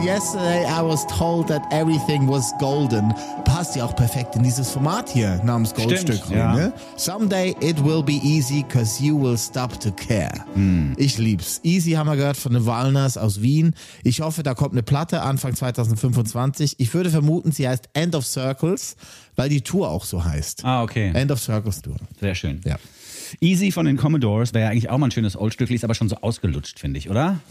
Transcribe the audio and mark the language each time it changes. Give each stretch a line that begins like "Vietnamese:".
English: Yesterday I was told that everything was golden.
German: Passt ja auch perfekt in dieses Format hier namens Goldstück. Stimmt, rein, ja. Ne?
English: Someday it will be easy, cause you will stop to care. Hm.
German: Ich lieb's. Easy haben wir gehört von den Walners aus Wien. Ich hoffe, da kommt eine Platte Anfang 2025. Ich würde vermuten, sie heißt End of Circles, weil die Tour auch so heißt. Ah, okay. End of Circles Tour. Sehr schön. Ja. Easy von den Commodores wäre ja eigentlich auch mal ein schönes Oldstückli, ist aber schon so ausgelutscht, finde ich, oder?